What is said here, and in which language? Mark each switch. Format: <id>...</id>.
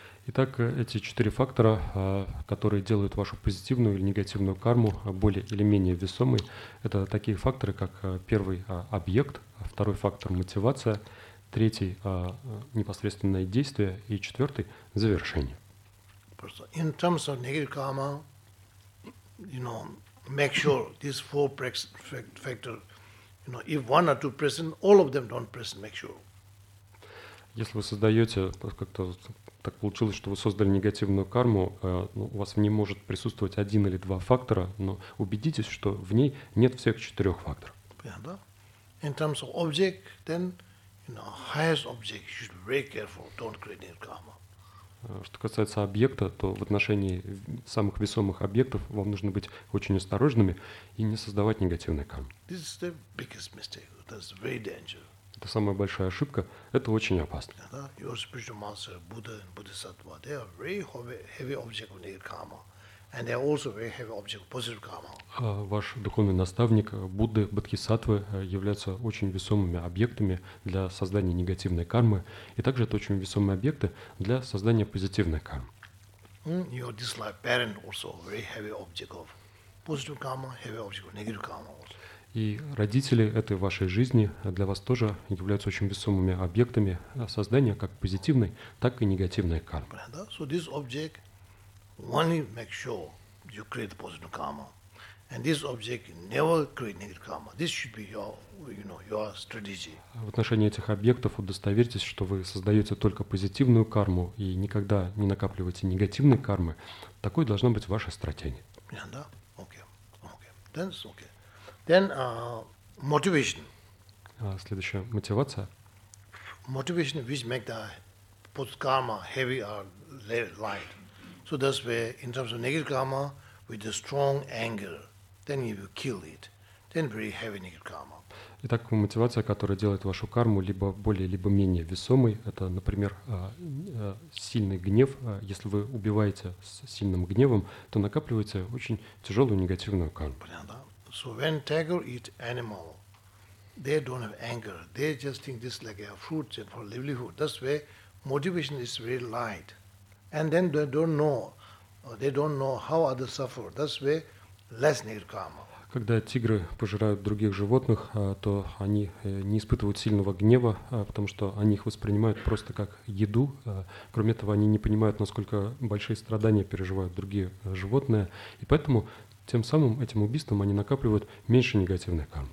<ru>Итак, эти четыре фактора, которые делают вашу позитивную или негативную карму более или менее весомой, это такие факторы, как первый – объект, второй фактор – мотивация, третий – непосредственное действие и четвертый – завершение.</ru> <en>In terms of negative karma, you know, make sure these four factors, you know, if one or two present, all of them don't present, make sure.</en> <ru>Если вы создаете как-то так получилось, что вы создали негативную карму, ну, у вас в ней может присутствовать один или два фактора, но убедитесь, что в ней нет всех четырех факторов. Yeah, да.</ru> <en>In terms of object, then, you know, highest object, you should be very careful, don't create negative karma.</en> <ru>Что касается объекта, то в отношении самых весомых объектов вам нужно быть очень осторожными и не создавать негативной кармы. This is the biggest mistake. That's very dangerous. Это самая большая ошибка. Это очень опасно. Yeah, да?</ru> <en>Your spiritual master, Buddha and Bodhisattva, they are very heavy object of negative karma. And they are also very heavy object of positive karma.</en> <ru>Ваш духовный наставник, Будды, Бодхисаттвы, являются очень весомыми объектами для создания негативной кармы. И также это очень весомые объекты для создания позитивной кармы.</ru> <en>Your disliked parent also very heavy object of positive karma, heavy object of negative karma also.</en> <ru>И родители этой вашей жизни для вас тоже являются очень весомыми объектами создания как позитивной, так и негативной кармы.</ru> <en>So this object only make sure you create positive karma, and this object never create negative karma. This should be your, you know, your strategy.</en> <ru>В отношении этих объектов удостоверьтесь, что вы создаете только позитивную карму и никогда не накапливаете негативной кармы. Такой должна быть ваша стратегия.</ru> <en>Yeah, да. Okay. Okay. Then it's okay. Then motivation.</en> <ru>Следующая мотивация.</ru> <en>Motivation which make the post karma heavy or light. So that's where in terms of negative karma with the strong anger, then you will kill it. Then very heavy negative karma.</en> <ru>Итак, мотивация, которая делает вашу карму либо более, либо менее весомой, это, например, сильный гнев. Если вы убиваете с сильным гневом, то накапливаете очень тяжелую негативную карму. Понятно.</ru> <en>So when tiger eat animal, they don't have anger. They just think this like a fruit for livelihood. That's why motivation is very light, and then they don't know how others suffer. That's why less negative karma.</en> <ru>Когда тигры пожирают других животных, то они не испытывают сильного гнева, потому что они их воспринимают просто как еду. Кроме этого, они не понимают, насколько большие страдания переживают другие животные, и поэтому тем самым этим убийством они накапливают меньше негативных карм.</ru>